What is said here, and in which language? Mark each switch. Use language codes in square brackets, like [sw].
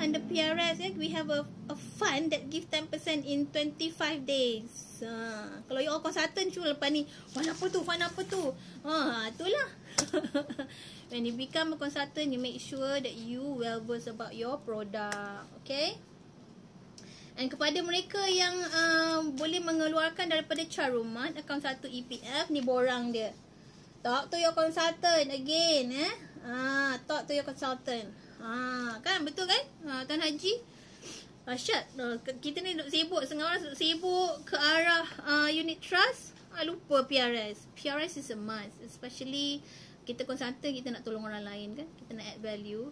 [en] Under PRS ya, we have a fund that give 10% in 25 days. [ms] Kalau you all consultant, cuba lepas ni. Fund apa tu? Fund apa tu? Itulah. [en] When you become a consultant, you make sure that you well versed about your product. Okay? [ms] And kepada mereka yang boleh mengeluarkan daripada carumat, akaun satu EPF, ni borang dia. [en] Talk to your consultant again. Talk to your consultant. [ms] Kan? Betul kan? Tuan Haji? Kita ni duduk sibuk. Setengah orang sibuk ke arah unit trust. Lupa PRS. [en] PRS is a must. [ms] Especially kita consultant, kita nak tolong orang lain kan. Kita nak add value.